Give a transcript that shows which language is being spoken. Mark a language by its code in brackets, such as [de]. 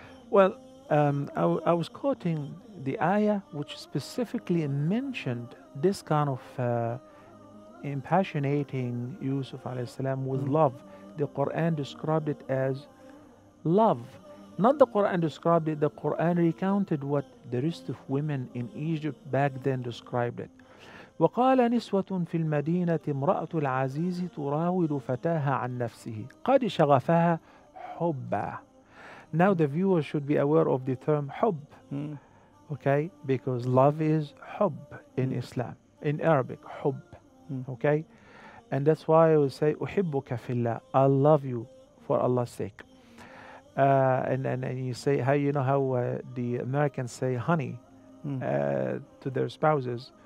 [en] Well, I was quoting the ayah which specifically mentioned this kind of impassionating Yusuf alayhi salam with love. The Quran described it as love. Not the Quran described it, the Quran recounted what the rest of women in Egypt back then described it. [ar] وقال نسوة في المدينة امرأة العزيز تراود فتاها عن نفسه قد شغفها حبا. [en] Now the viewer should be aware of the term حب. Okay, because love is حب in Islam, in Arabic, حب. Okay, and that's why I would say [ar] أحبك في الله. [en] I love you for Allah's sake. And you say, how you know how the Americans say honey to their spouses?